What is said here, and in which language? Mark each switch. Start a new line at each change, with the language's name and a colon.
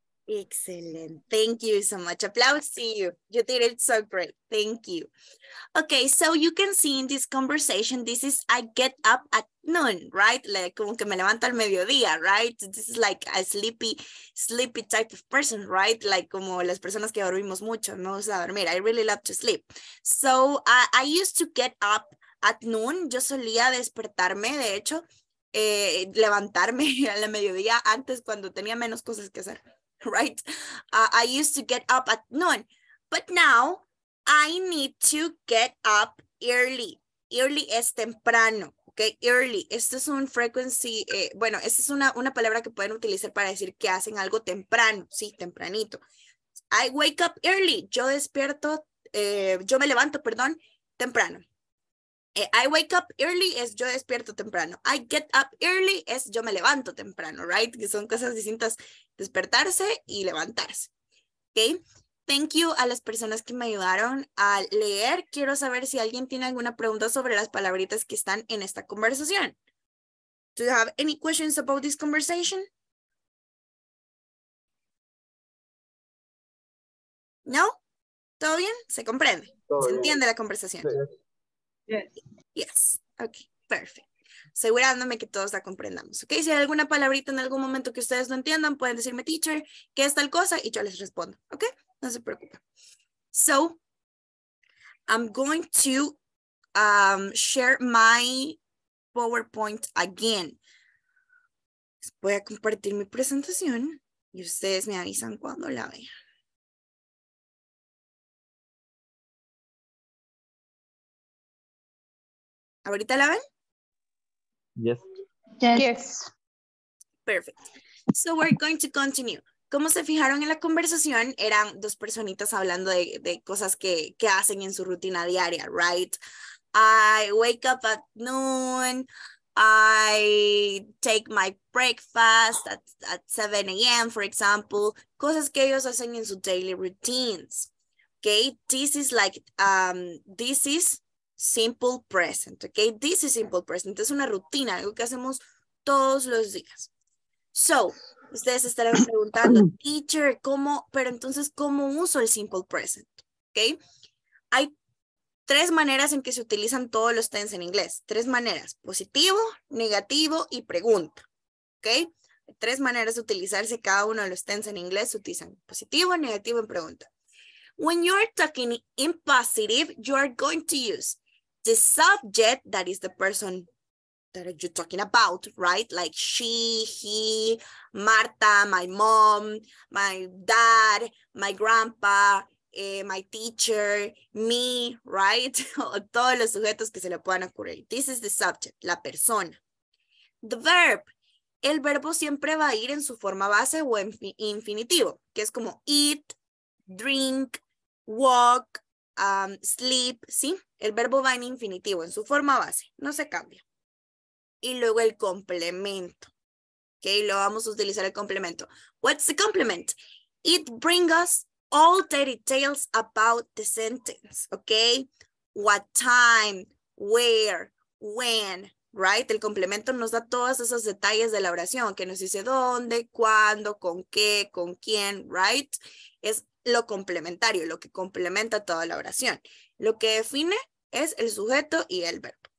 English: Excellent. Thank you so much. Applause to you. You did it so great. Thank you. Okay, so you can see in this conversation, this is I get up at noon, right? Like,
Spanish: como que me levanto al mediodía,
English: right? This is like a sleepy type of person, right? Like,
Spanish: como las personas que dormimos mucho, no gusta dormir.
English: I really love to sleep. So I used to get up at noon.
Spanish: Yo solía despertarme, de hecho, levantarme a la mediodía antes cuando tenía menos cosas que hacer, right?
English: I used to get up at noon, but now I need to get up early.
Spanish: Early es temprano, okay? Early, esto es un frequency, bueno, esta es una palabra que pueden utilizar para decir que hacen algo temprano, sí, tempranito.
English: I wake up early,
Spanish: yo despierto, yo me levanto, perdón, temprano.
English: I wake up early
Spanish: es yo despierto temprano.
English: I get up early
Spanish: es yo me levanto temprano, right? Que son cosas distintas, despertarse y levantarse. Okay.
English: Thank you
Spanish: a las personas que me ayudaron a leer. Quiero saber si alguien tiene alguna pregunta sobre las palabritas que están en esta conversación.
English: Do you have any questions about this conversation?
Spanish: No? ¿Todo bien? Se comprende. Se entiende la conversación.
English: Yes.
Spanish: Ok, perfecto. Asegurándome que todos la comprendamos. Ok, si hay alguna palabrita en algún momento que ustedes no entiendan, pueden decirme, teacher, ¿qué es tal cosa? Y yo les respondo. Ok, no se preocupen.
English: So, I'm going to share my PowerPoint again.
Spanish: Voy a compartir mi presentación y ustedes me avisan cuando la vean. ¿Ahorita la ven?
English: Yes. Perfect. So we're going to continue.
Spanish: Como se fijaron en la conversación, eran dos personitas hablando de cosas que hacen en su rutina diaria, right?
English: I wake up at noon. I take my breakfast at 7 a.m., for example.
Spanish: Cosas que ellos hacen en su daily routines.
English: Okay, this is like, this is simple present, okay? This is simple present.
Spanish: Es una rutina, algo que hacemos todos los días. So, ustedes estarán preguntando, teacher, ¿cómo uso el simple present? Okay? Hay tres maneras en que se utilizan todos los tense en inglés. Tres maneras, positivo, negativo y pregunta. Okay? Tres maneras de utilizarse cada uno de los tense en inglés. Se utilizan positivo, negativo y pregunta.
English: When you're talking in positive, you are going to use the subject, that is the person that you're talking about, right? Like she, he, Marta, my mom, my dad, my grandpa, my teacher, me, right?
Spanish: Todos los sujetos que se le puedan ocurrir.
English: This is the subject,
Spanish: la persona.
English: The verb.
Spanish: El verbo siempre va a ir en su forma base o en infinitivo, que es como eat, drink, walk, sleep, ¿sí? El verbo va en infinitivo, en su forma base. No se cambia. Y luego el complemento. Okay, lo vamos a utilizar el complemento.
English: What's the complement? It brings us all the details about the sentence, okay? What time, where, when, right?
Spanish: El complemento nos da todos esos detalles de la oración, que nos dice dónde, cuándo, con qué, con quién, right? Es lo complementario, lo que complementa toda la oración. Lo que define es el sujeto y el verbo.